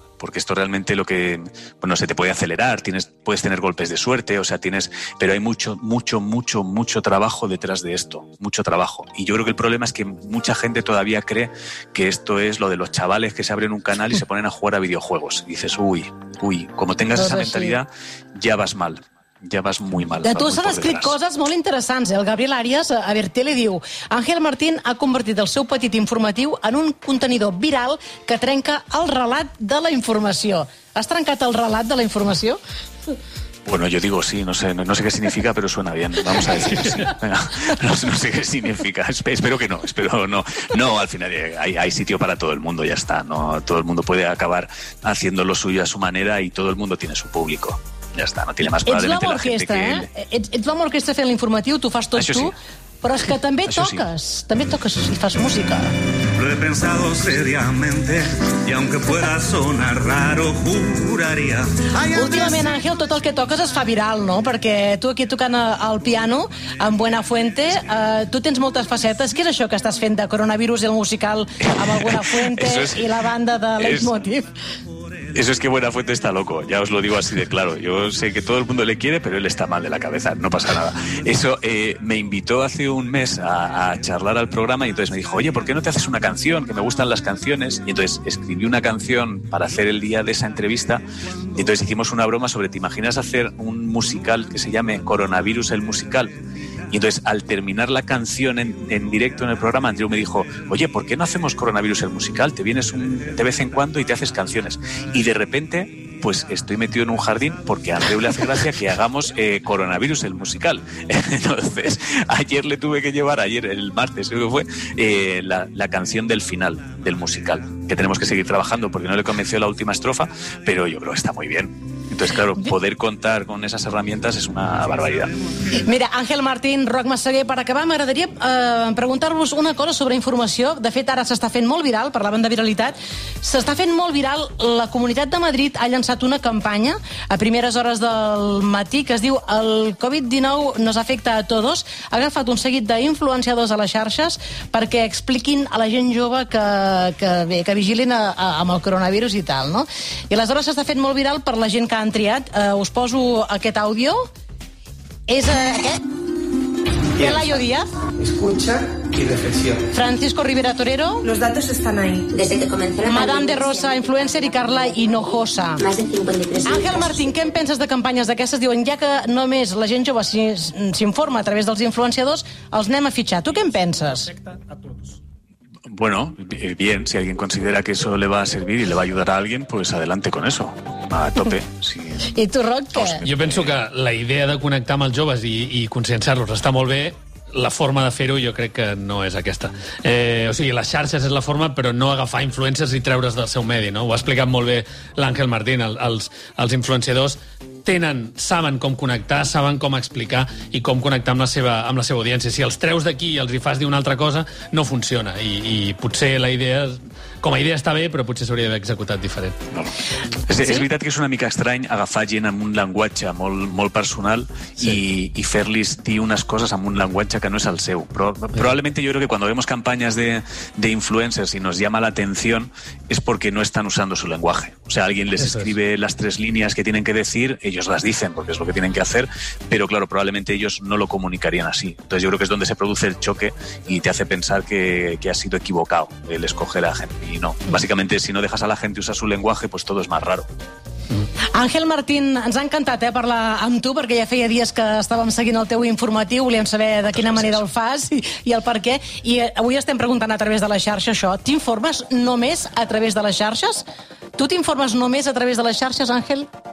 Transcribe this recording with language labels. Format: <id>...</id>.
<es>Porque esto realmente lo que, bueno, se te puede acelerar, puedes tener golpes de suerte, o sea, pero hay mucho, mucho, mucho, mucho trabajo detrás de esto, mucho trabajo. Y yo creo que el problema es que mucha gente todavía cree que esto es lo de los chavales que se abren un canal y se ponen a jugar a videojuegos. Y dices, uy, como tengas esa mentalidad,</es> <ca>ja vas mal.</ca> <es>Ja vas muy mal.</es> <ca>De tu s'han escrit coses molt interessants. El Gabriel Arias a Bertele diu: Àngel Martín ha convertit el seu petit informatiu en un contenidor viral que trenca el relat de la informació. Has trencat el relat de la informació?</ca> <es>Bueno, yo digo sí, no sé qué significa, pero suena bien. Vamos a decir sí. No sé qué significa. Espero que no. No, al final hay sitio para todo el mundo, ya está. No, todo el mundo puede acabar haciendo lo suyo a su manera y todo el mundo tiene su público.</es> <ca>Ja està,</ca> <es>no tiene más.</es> <ca>Ets l'home orquestra, Ets l'home orquestra fent l'informatiu, tu fas tot això tu, sí. Però és que també toques i fas música.</ca> <es>Lo he pensado seriamente y aunque pueda sonar raro, juraría.</es> <ca>Últimament, Àngel, tot el que toques es fa viral, no? Perquè tu aquí tocant el piano amb Buenafuente, tu tens moltes facetes. Què és això que estàs fent de coronavirus i el musical amb el Buenafuente i la banda de Leitmotiv?</ca> <es>Eso es que Buenafuente está loco, ya os lo digo así de claro. Yo sé que todo el mundo le quiere, pero él está mal de la cabeza, no pasa nada. Eso, me invitó hace un mes a charlar al programa y entonces me dijo, oye, ¿por qué no te haces una canción? Que me gustan las canciones. Y entonces escribí una canción para hacer el día de esa entrevista y entonces hicimos una broma sobre, ¿te imaginas hacer un musical que se llame Coronavirus el musical? Y entonces, al terminar la canción en directo en el programa, Andreu me dijo, oye, ¿por qué no hacemos Coronavirus el musical? Te vienes de vez en cuando y te haces canciones. Y de repente, pues estoy metido en un jardín porque a Andreu le hace gracia que hagamos Coronavirus el musical. Entonces, ayer le tuve que llevar, ayer el martes creo que fue, la canción del final del musical, que tenemos que seguir trabajando porque no le convenció la última estrofa, pero yo creo que está muy bien. Entonces, claro, poder contar con esas herramientas es una barbaridad.</es> <ca>Mira, Àngel Martín, Roc Massaguer, per acabar, m'agradaria preguntar-vos una cosa sobre informació. De fet, ara s'està fent molt viral, parlant de viralitat. S'està fent molt viral, la Comunitat de Madrid ha llançat una campanya a primeres hores del matí que es diu</ca> <es>El Covid-19 nos afecta a todos.</es> <ca>Ha agafat un seguit d'influenciadors a les xarxes perquè expliquin a la gent jove que vigilin amb el coronavirus i tal, no? I aleshores s'està fent molt viral per la gent que han triat. Us poso aquest àudio. És aquest. Pelayo Díaz.</ca> <es>Escucha y reflexiona. Francisco Rivera Torero. Los datos están ahí. Desde que comenzó. Madame de Rosa, influencer, y Carla Hinojosa. Más de 53.</es> <ca>Àngel Martín, què en penses de campanyes d'aquestes? Diuen, ja que només la gent jove s'informa a través dels influenciadors, els anem a fitxar. Tu què en penses?</ca> <es>Bueno, bien, si alguien considera que eso le va a servir y le va a ayudar a alguien, pues adelante con eso, a tope. Sí.</es> <ca>I tu, Roc, què? Jo penso que la idea de connectar amb els joves i conscienciar-los està molt bé, la forma de fer-ho jo crec que no és aquesta. O sigui, les xarxes és la forma, però no agafar influencers i treure's del seu medi, no? Ho ha explicat molt bé l'Àngel Martín, els influenciadors saben com connectar, saben com explicar i com connectar amb la seva audiència. Si els treus d'aquí i els hi fas dir una altra cosa, no funciona. I potser la idea, com a idea està bé, però potser s'hauria d'haver executat diferent. No. És veritat que és una mica estrany agafar gent amb un llenguatge molt, molt personal, sí. I fer-los dir unes coses amb un llenguatge que no és el seu. Però probablement jo crec que quan vemos campanyes de influencers i</ca> <es>nos llama</es> <ca>l'atenció és perquè no estan usant su llenguatge.</ca> <es>O sea, alguien les escribe las tres líneas que tienen que decir, ellos las dicen porque es lo que tienen que hacer, pero claro, probablemente ellos no lo comunicarían así. Entonces yo creo que es donde se produce el choque y te hace pensar que ha sido equivocado el escoger a gente. Y no, básicamente si no dejas a la gente usar su lenguaje, pues todo es más raro.</es> <ca>Àngel Martín, ens ha encantat parlar amb tu, perquè ja feia dies que estàvem seguint el teu informatiu, volíem saber de quina manera el fas i el per què, i avui estem preguntant a través de la xarxa això. T'informes només a través de les xarxes? Tu t'informes només a través de les xarxes, Àngel?</ca>